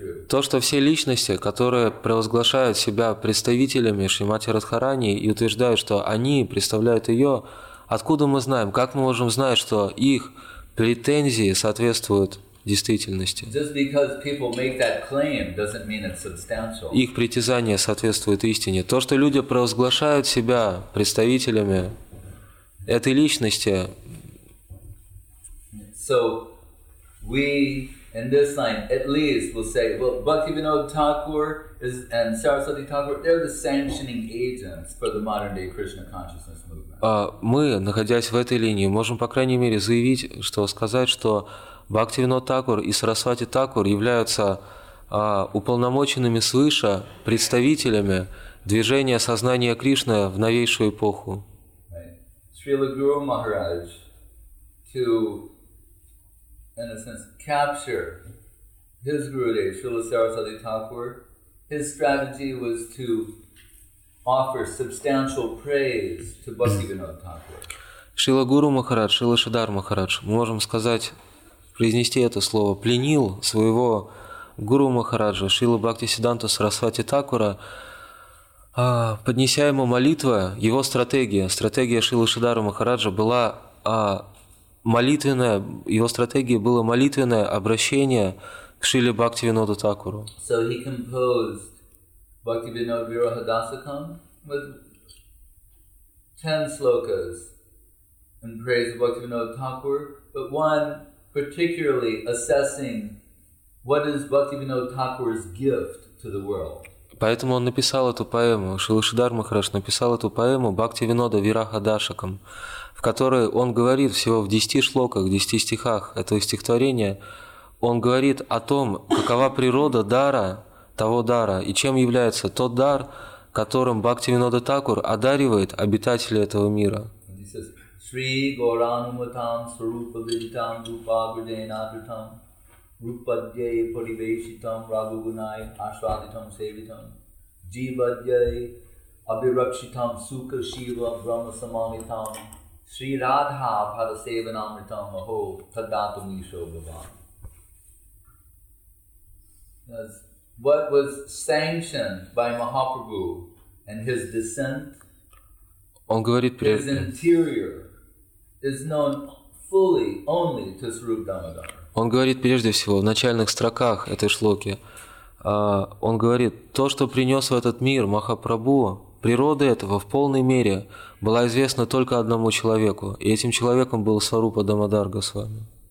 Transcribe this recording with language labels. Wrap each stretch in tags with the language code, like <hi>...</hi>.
<ru>То, что все личности, которые провозглашают себя представителями Шримати Радхарани и утверждают, что они представляют ее, откуда мы знаем, как мы можем знать, что их претензии соответствуют действительности? Их притязания соответствуют истине. То, что люди провозглашают себя представителями этой личности.</ru> <en>So we in this line at least will say, well, Bhaktivinoda Thakur is and Saraswati Thakur, they're the sanctioning agents for the modern day Krishna consciousness.</en> <ru>Мы, находясь в этой линии, можем, по крайней мере, заявить, что сказать, что Бхактивинод Такур и Сарасвати Такур являются уполномоченными свыше представителями движения сознания Кришны в новейшую эпоху.</ru> <en>Шрила Гуру Махарадж, to, in a sense, capture his Gurudev, Шрила Сарасвати Такур, His strategy was to offer substantial praise to Bhakti Vinod Thakur.</en> <ru>Шрила Гуру Махарадж, Шрила Шридхар Махарадж, мы можем сказать, произнести это слово, пленил своего Гуру Махараджа, Шрила Бхакти Сиддханта Сарасвати Такура, поднеся ему молитва, его стратегия, стратегия Шрила Шридхара Махараджа была молитвенная, его стратегия было молитвенное обращение к Шриле Бхакти Винода Такуру.</ru> <en>So he composed Bhakti Vinod Virahadasakam with 10 slokas in praise of Bhakti Vinod Thakur, but one particularly assessing what is Bhakti Vinod Thakur's gift to the world.</en> <ru>Поэтому он написал эту поэму, Шрила Шридхар Махарадж написал эту поэму Бхакти Винода Вирахадашакам, в которой он говорит всего в 10 шлоках, 10 стихах этого стихотворения, он говорит о том, какова природа дара, того дара, и чем является тот дар, которым Бхакти Винода Такур одаривает обитателей этого мира.</ru> <sa>Sri Gauranumatam Sarupavidhitam Rupagrdenadritam Rupadjai Parivesitam Raghugunai Ashwaditam Sevitam Jivadjai Abhirakshitam Sukha Shiva Brahma Samamitam Sri Radha Parasevanamritam Aho Tadatumisho Bhavan.</sa> <en>What was sanctioned by Mahaprabhu and his descent is interior. Is known fully only to Sarupa Damodara.</en> <ru>Он говорит прежде всего в начальных строках этой шлоки. Он говорит, то, что принес в этот мир Махапрабху, природа этого в полной мере была известна только одному человеку, и этим человеком был Сарупа Дамодар Госвами.</ru>